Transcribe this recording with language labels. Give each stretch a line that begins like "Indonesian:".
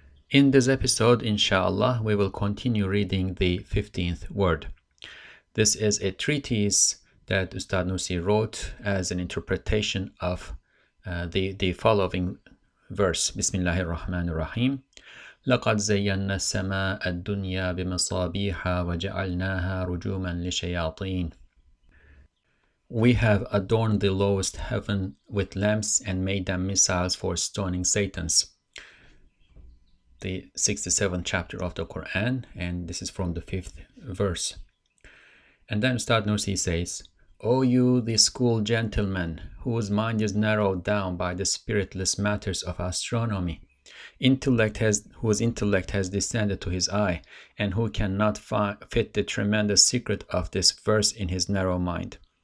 English: In this episode, inshallah, we will continue reading the 15th word. This is a treatise that Ustad Nursi wrote as an interpretation of the following verse, Bismillahirrahmanirrahim.
Arabic: لقد زينا السماء الدنيا بمصابيح وجعلناها رجوما للشياطين.
English: We have adorned the lowest heaven with lamps and made them missiles for stoning Satans. The 67th chapter of the Quran, and this is from the 5th verse. And then Ustad Nursi says, O you, the school gentleman, whose mind is narrowed down by the spiritless matters of astronomy, whose intellect has descended to his eye, and who cannot fit the tremendous secret of this verse in his narrow mind.